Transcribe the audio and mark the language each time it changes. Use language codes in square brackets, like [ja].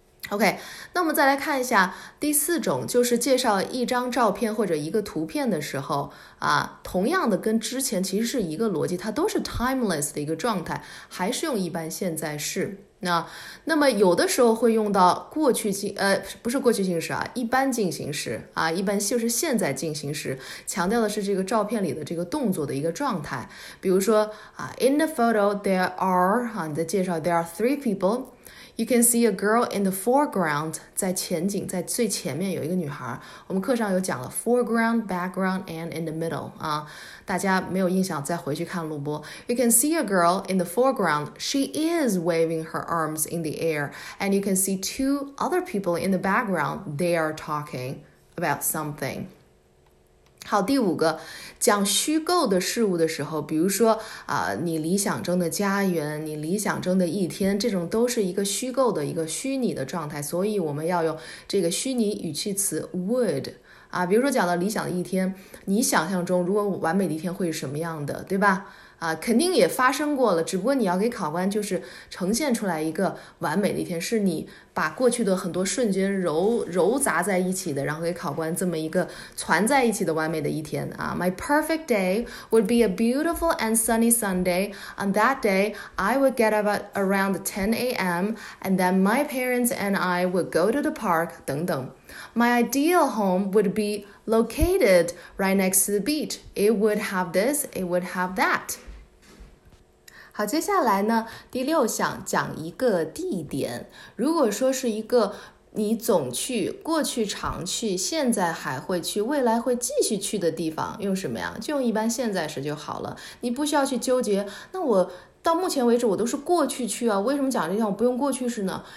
[zh] OK, 那我们再来看一下第四种，就是介绍一张照片或者一个图片的时候同样的跟之前其实是一个逻辑，它都是 timeless 的一个状态，还是用一般现在式。那么有的时候会用到过去不是过去进行时一般进行时一般就是现在进行时，强调的是这个照片里的这个动作的一个状态。 [en] 比如说 in the photo, there are, 你在介绍 there are three people, You can see a girl in the foreground, 在前景，在最前面有一个女孩。 [zh] 我们课上有讲了 foreground, background, and in the middle, 啊，大家没有印象，再回去看录播。 [en] You can see a girl in the foreground. She is waving her arms in the air. And you can see two other people in the background. They are talking about something. [zh] 好，第五个，讲虚构的事物的时候，比如说啊，你理想中的家园，你理想中的一天，这种都是一个虚构的一个虚拟的状态，所以我们要用这个虚拟语气词 would 啊，比如说讲到理想的一天，你想象中如果完美的一天会是什么样的，对吧？啊，肯定也发生过了，只不过你要给考官就是呈现出来一个完美的一天，是你把过去的很多瞬间揉杂在一起的，然后给考官这么一个攒在一起的完美的一天啊。 [en] My perfect day would be a beautiful and sunny Sunday. On that day, I would get up around 10 a.m. and then my parents and I would go to the park 等等。 My ideal home would be located right next to the beach. It would have this, it would have that. [zh] 好，接下来呢，第六项讲一个地点。如果说是一个你总去、过去常去、现在还会去、未来会继续去的地方，用什么呀？就用一般现在时就好了。你不需要去纠结，那我到目前为止我都是过去去啊，为什么讲这项我不用过去式呢？